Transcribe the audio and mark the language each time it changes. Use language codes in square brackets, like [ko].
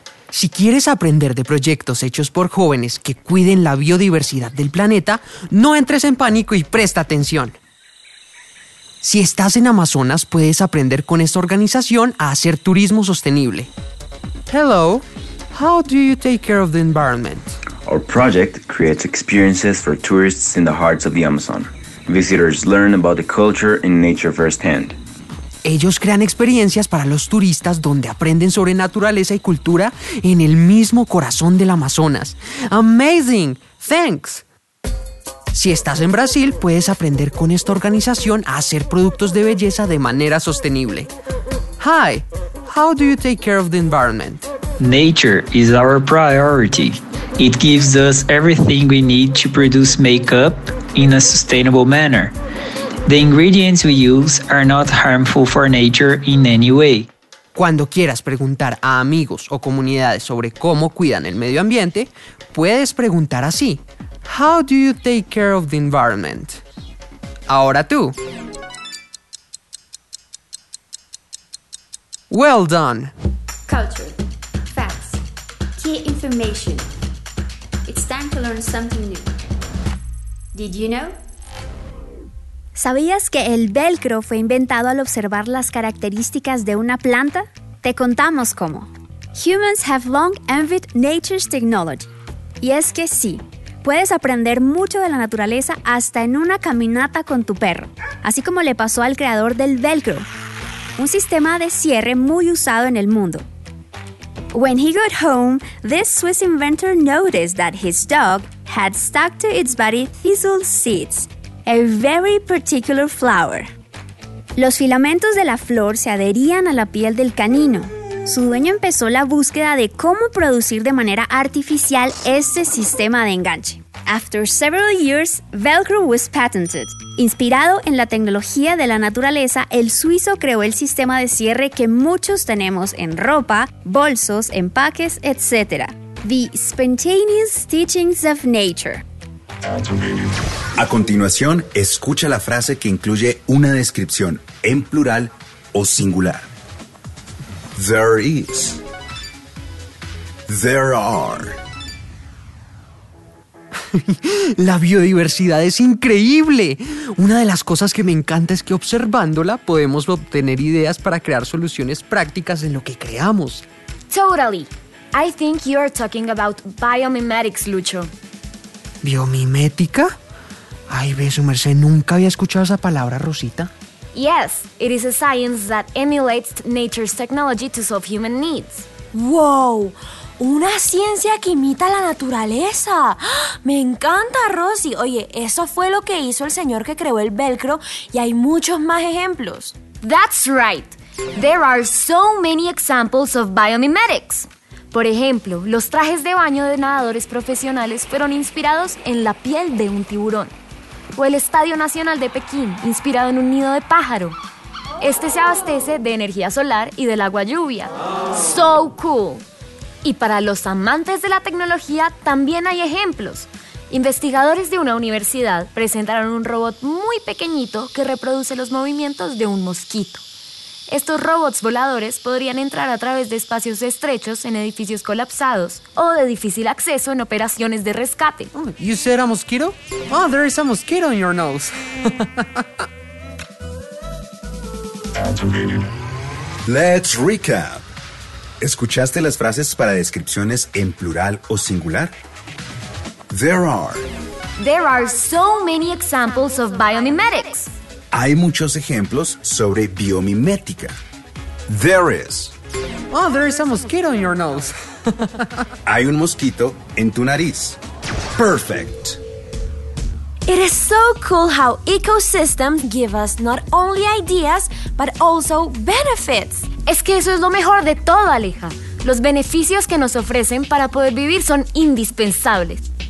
[es] Si quieres aprender de proyectos hechos por jóvenes que cuiden la biodiversidad del planeta, no entres en pánico y presta atención. Si estás en Amazonas, puedes aprender con esta organización a hacer turismo sostenible. [en] Hello, how do you take care of the environment? Our project creates experiences for tourists in the hearts of the Amazon. Visitors learn about the culture and nature firsthand. [es] Ellos crean experiencias para los turistas donde aprenden sobre naturaleza y cultura en el mismo corazón del Amazonas. [en] Amazing! Thanks! [es] Si estás en Brasil, puedes aprender con esta organización a hacer productos de belleza de manera sostenible. [en] Hi! How do you take care of the environment? Nature is our priority. It gives us everything we need to produce makeup in a sustainable manner. The ingredients we use are not harmful for nature in any way. [es] Cuando quieras preguntar a amigos o comunidades sobre cómo cuidan el medio ambiente, puedes preguntar así. [en] How do you take care of the environment? [es] Ahora tú. [en] Well done. Culture. Facts. Key information. It's time to learn something new. Did you know? [es] ¿Sabías que el velcro fue inventado al observar las características de una planta? Te contamos cómo. [en] Humans have long envied nature's technology. [es] Y es que sí, puedes aprender mucho de la naturaleza hasta en una caminata con tu perro, así como le pasó al creador del velcro, un sistema de cierre muy usado en el mundo. [en] When he got home, this Swiss inventor noticed that his dog had stuck to its body thistle seeds, a very particular flower. [es] Los filamentos de la flor se adherían a la piel del canino. Su dueño empezó la búsqueda de cómo producir de manera artificial este sistema de enganche. [en] After several years, Velcro was patented. [es] Inspirado en la tecnología de la naturaleza, el suizo creó el sistema de cierre que muchos tenemos en ropa, bolsos, empaques, etc. [en] The Spontaneous Teachings of Nature. [es] A continuación, escucha la frase que incluye una descripción en plural o singular. [en] There is. There are. [es] La biodiversidad es increíble. Una de las cosas que me encanta es que observándola podemos obtener ideas para crear soluciones prácticas en lo que creamos. [en] Totally. I think you are talking about biomimetics, Lucho. [es] ¿Biomimética? Ay, ve, su merced, nunca había escuchado esa palabra, Rosita. [en] Yes, it is a science that emulates nature's technology to solve human needs. [es] ¡Wow! ¡Una ciencia que imita la naturaleza! ¡Me encanta, Rosy! Oye, eso fue lo que hizo el señor que creó el velcro y hay muchos más ejemplos. [en] That's right. There are so many examples of biomimetics. [es] Por ejemplo, los trajes de baño de nadadores profesionales fueron inspirados en la piel de un tiburón. O el Estadio Nacional de Pekín, inspirado en un nido de pájaro. Este se abastece de energía solar y del agua lluvia. [en] ¡So cool! [es] Y para los amantes de la tecnología, también hay ejemplos. Investigadores de una universidad presentaron un robot muy pequeñito que reproduce los movimientos de un mosquito. Estos robots voladores podrían entrar a través de espacios estrechos en edificios colapsados o de difícil acceso en operaciones de rescate. [en] Oh, you said a mosquito? Oh, there is a mosquito in your nose. Let's recap. [es] ¿Escuchaste las frases para descripciones en plural o singular? [en] There are so many examples of biomimetics. [es] Hay muchos ejemplos sobre biomimética. [en] There is. Oh, there is a mosquito in your nose. [es] Hay un mosquito en tu nariz. [en] Perfect. It is so cool how ecosystems give us not only ideas, but also benefits. [es] Es que eso es lo mejor de todo, Aleja. Los beneficios que nos ofrecen para poder vivir son indispensables.